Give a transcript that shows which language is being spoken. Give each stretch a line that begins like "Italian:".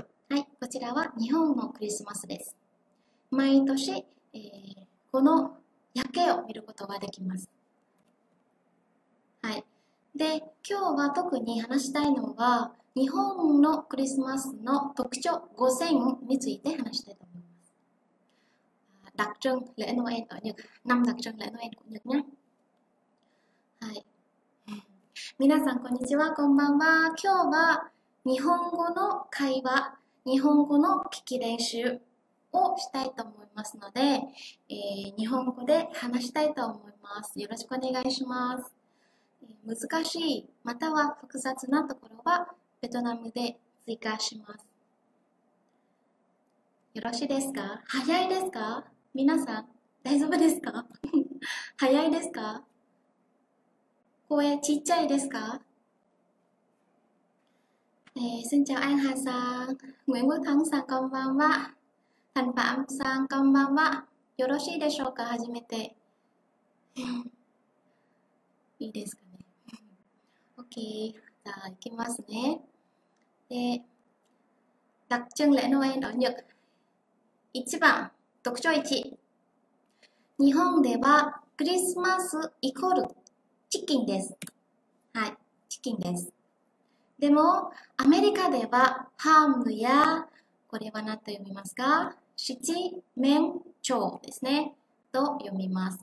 Japanese: はい、こちらは日本のクリスマスです。毎年、この夜景を見ることができます。はい。で、今日は特に話したいのは、日本のクリスマスの特徴5選について話したいと思います。
Vietnamese: đặc trưng lễ Noel ở Nhật, 5 đặc trưng lễ Noel của Nhật nhé.
Japanese: はい。皆さん、こんにちは、こんばんは。今日は日本語の会話、日本語の聞き練習をしたいと思いますので、日本語で話したいと思います。よろしくお願いします。難しい、または複雑なところは、ベトナムで追加します。よろしいですか?早いですか?皆さん、大丈夫ですか?早いですか? 声、ちっちゃいですか? すんちゃん、あんはさん、むんごたんさん、こんばんは。たんぱんさん、こんばんは。よろしいでしょうか?初めて。いいですか?OK, じゃあ行きますね。
Vietnamese: で、đặc trưng lễ Noel ở Nhật。
Japanese: 1番、特徴1。日本ではクリスマスイコールチキンです。はい、チキンです。でも、アメリカではハムや、これは何と読みますか? 七面鳥ですね。と読みます。